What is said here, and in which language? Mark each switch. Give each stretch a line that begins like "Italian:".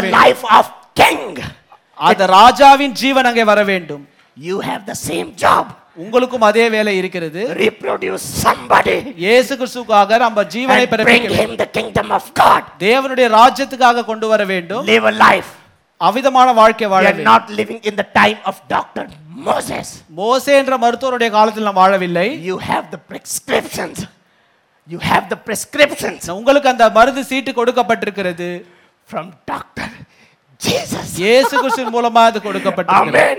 Tamil: வேண்டும்.
English: It was life of king.
Tamil: அது ராஜாவின் ஜீவன் அங்கே வர வேண்டும்.
English: You have the same job.
Tamil: உங்களுக்கும் அதே வேலை இருக்கிறது.
English: Reproduce somebody.
Tamil: இயேசு கிறிஸ்துவுக்காக நாம் ஜீவனை பெற வேண்டும்.
English: Bring him the kingdom of God.
Tamil: தேவனுடைய ராஜ்யத்துக்காக கொண்டு வர வேண்டும்.
English: Live a life.
Tamil: அவிதமான வாழ்க்கை வாழ வேண்டும்.
English: We are not living in the time of Dr. Moses.
Tamil: மோசே என்ற மருத்துவருடைய காலத்தில் நாம் வாழவில்லை.
English: You have the prescriptions. You have the prescriptions.
Tamil: உங்களுக்கு அந்த மருந்து சீட்டு கொடுக்கப்பட்டிருக்கிறது.
English: From Dr. Jesus.
Tamil: இயேசு கிறிஸ்துவின் மூலமாக அது கொடுக்கப்பட்டிருக்கிறது.